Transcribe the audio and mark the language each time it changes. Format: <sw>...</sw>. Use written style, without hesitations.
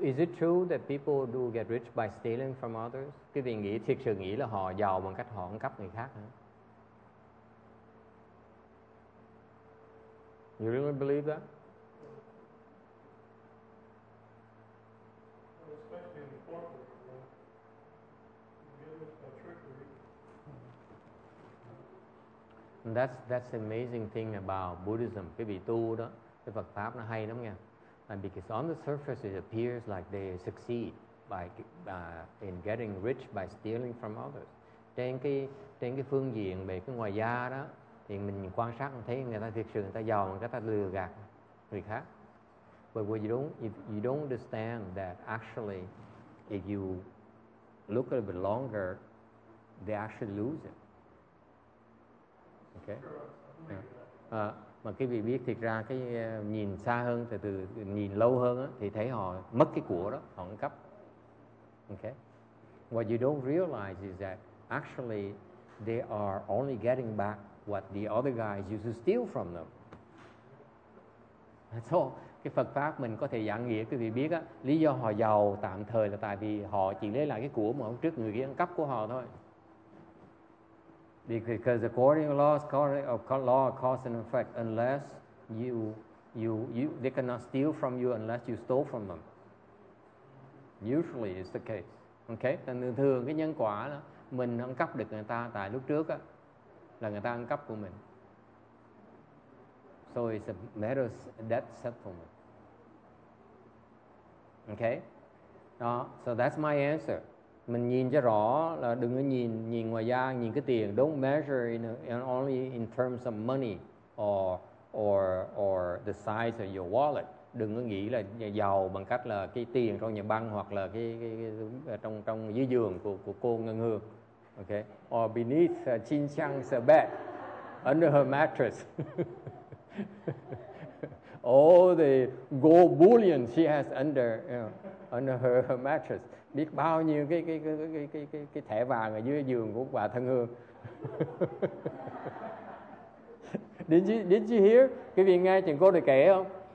<en>Is it true that people do get rich by stealing from others?</en> <vi>Quý vị nghĩ thiệt sự nghĩ là họ giàu bằng cách họ ăn cắp người khác hả?</vi> <en>You really believe that? That's the amazing thing about Buddhism.</en> <vi>Cái vị tu đó, cái Phật pháp nó hay lắm nha.</vi> <en>And because on the surface it appears like they succeed by in getting rich by stealing from others.</en> <vi>Trên cái phương diện về cái ngoài da đó thì mình quan sát thấy người ta thiệt sự người ta giàu mà người ta lừa gạt người khác.</vi> <en>But what you don't understand that actually if you look a little bit longer, they actually lose it. Okay.</en> <vi>Mà cái vị biết thiệt ra cái nhìn xa hơn thì từ nhìn lâu hơn á thì thấy họ mất cái của đó, họ ăn cắp.</vi> <en>Okay. What you don't realize is that actually they are only getting back what the other guys used to steal from them. That's all.</en> <vi>Cái Phật pháp mình có thể giảng nghĩa quý vị biết á, lý do họ giàu tạm thời là tại vì họ chỉ lấy lại cái của mà hôm trước người kia ăn cắp của họ thôi.</vi> <en>Because according to laws, according to law of cause and effect, unless you they cannot steal from you unless you stole from them. Usually it's the case. Okay?</en> <vi>Thường thường cái nhân quả là mình ăn cắp được người ta tại lúc trước á là người ta ăn cắp của mình.</vi> <en>So it's a matter of death settlement. Okay?</en> <vi>Đó,</vi> <en>so that's my answer.</en> <vi>Mình nhìn cho rõ là đừng có nhìn nhìn ngoài da, nhìn cái tiền.</vi> <en>Don't measure in only in terms of money or the size of your wallet.</en> <vi>Đừng có nghĩ là giàu bằng cách là cái tiền trong nhà băng hoặc là cái trong trong dưới giường của cô Ngân Hương.</vi> <en>Okay? Or beneath Chin Chang's bed, under her mattress. All the gold bullion she has under, you know, under her mattress.</en> <vi>Biết bao nhiêu cái thẻ vàng ở dưới giường của bà Thân Hương.</vi> <en>Did you hear?</en> <vi>Quý vị nghe chuyện cô này kể không?</vi>